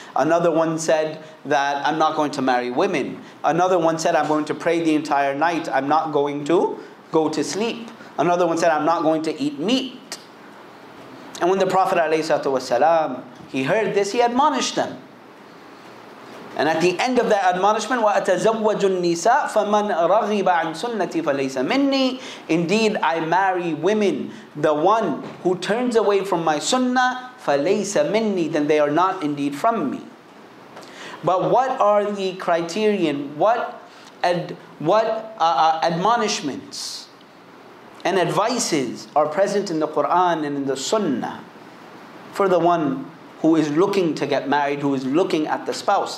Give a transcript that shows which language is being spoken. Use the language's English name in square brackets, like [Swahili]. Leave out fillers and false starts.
[English] Another one said that I'm not going to marry women. Another one said I'm going to pray the entire night, I'm not going to go to sleep. Another one said, I'm not going to eat meat. And when the Prophet ﷺ, he heard this, he admonished them. And at the end of that admonishment, [Arabic] وَأَتَزَوَّجُ النِّسَاءَ فَمَنْ رَغِبَ عَنْ سُنَّتِي فَلَيْسَ مِنِّي. [English] Indeed, I marry women. The one who turns away from my sunnah, [Arabic] فَلَيْسَ مِنِّي. [English] Then they are not indeed from me. But what are the criterion? What admonishments? And advices are present in the Qur'an and in the Sunnah for the one who is looking to get married, who is looking at the spouse.